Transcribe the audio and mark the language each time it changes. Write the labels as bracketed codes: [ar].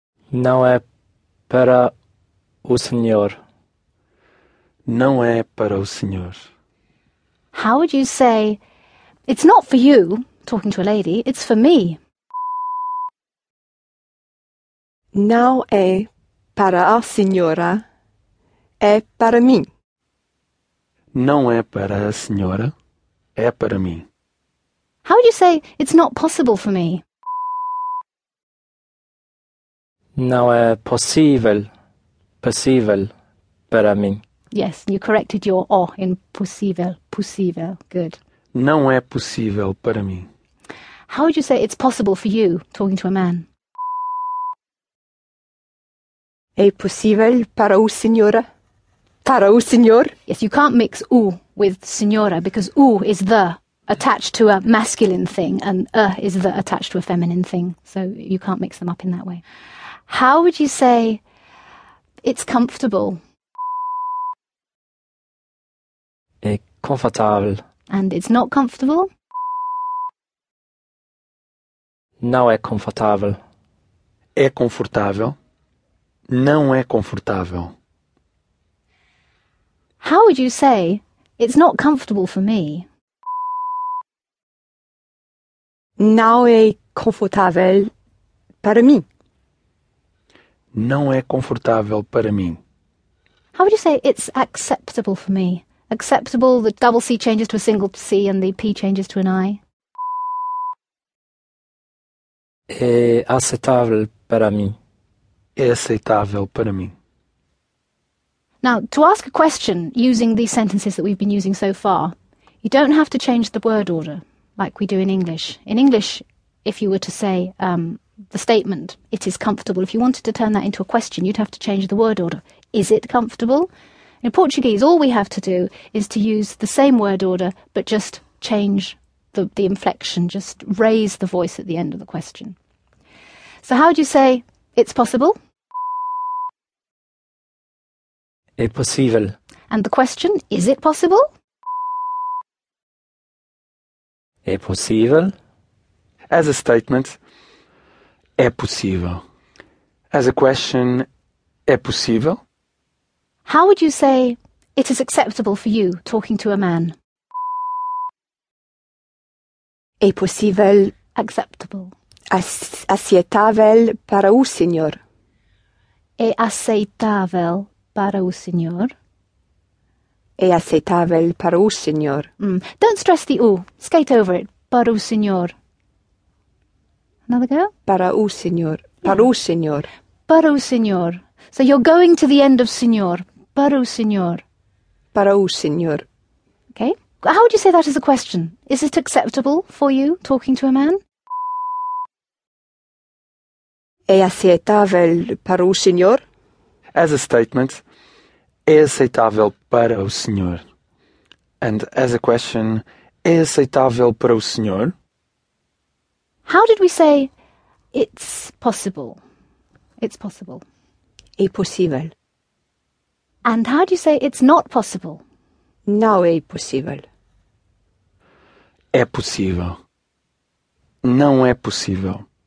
[pt] Não é para o senhor. Não é para o senhor. [en] How would you say it's not for you, talking to a lady, it's for me? [pt] Não é para a senhora, é para mim. Não é para a senhora. É para mim. [en] How would you say it's not possible for me? [pt] Não é possível, possível para mim. [en] Yes, you corrected your O in possível, possível. Good. [pt] Não é possível para mim. [en] How would you say it's possible for you, talking to a man? [pt] É possível para o senhora? Para o senhor? [en] Yes, you can't mix o with senhora because o is the attached to a masculine thing and a is the attached to a feminine thing. So you can't mix them up in that way. How would you say it's comfortable? [pt] É confortável. [en] And it's not comfortable? [pt] Não é confortável. É confortável. Não é confortável. [en] How would you say it's not comfortable for me? [pt] Não é confortável para mim. Não é confortável para mim. [en] How would you say it's acceptable for me? Acceptable, the double C changes to a single C and the P changes to an I. [pt] É aceitável para mim. É aceitável para mim. [en] Now, to ask a question using these sentences that we've been using so far, you don't have to change the word order like we do in English. In English, if you were to say the statement, it is comfortable, if you wanted to turn that into a question, you'd have to change the word order. Is it comfortable? In Portuguese, all we have to do is to use the same word order, but just change the inflection, just raise the voice at the end of the question. So how would you say it's possible? [pt] É possível. [en] And the question, is it possible? [pt] É possível. [en] As a statement, [pt] é possível. [en] As a question, é possível. How would you say it is acceptable for you talking to a man? [pt] É possível. [en] Acceptable. [pt] Aceitável para o senhor. É aceitável. Para o senhor. É aceitável para o senhor. [en] Don't stress the U. Skate over it. [pt] Para o senhor. [en] Another go? [pt] Para o senhor. Yeah. Para o senhor. Para o senhor. [en] So you're going to the end of senhor. [pt] Para o senhor. Para o senhor. [en] Okay. How would you say that as a question? Is it acceptable for you, talking to a man? [pt] É aceitável para o senhor? [en] As a statement, [pt] é aceitável para o senhor. [en] And as a question, [pt] é aceitável para o senhor? [en] How did we say, it's possible? It's possible. est possible. And how do you say it's not possible? No est possible. [pt] É possível. Não é possível.